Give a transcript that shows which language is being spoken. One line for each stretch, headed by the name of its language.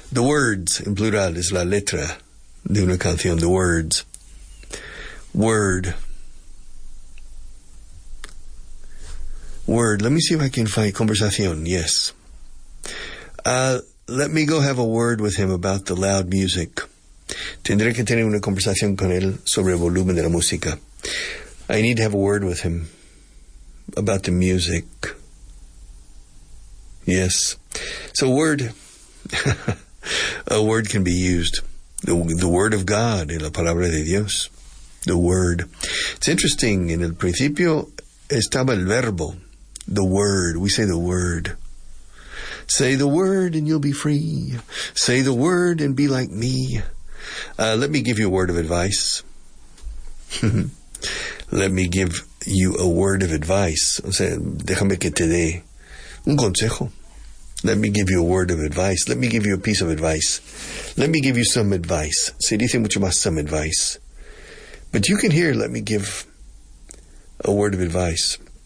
English: The words, in plural,
Spanish: es la letra de una canción.
English: The words. Word. Word. Let me see if I can find conversación. Yes. Let me go have a word with him about the loud music.
Spanish: Tendré que tener una conversación con él sobre el volumen de la música.
English: I need to have a word with him about the music. Yes. So word. A word can be used. The word of God,
Spanish: la palabra de Dios.
English: the word. It's interesting,
Spanish: en el principio estaba el verbo,
English: the word. We say the word. Say the word and you'll be free. Say the word and be like me. Let me give you a word of advice. Let me give you a word of advice.
Spanish: O sea, déjame que te dé un consejo.
English: Let me give you a word of advice. Let me give you a piece of advice. Let me give you some advice.
Spanish: Se dice mucho más
English: some advice. But you can hear, let me give a word of advice.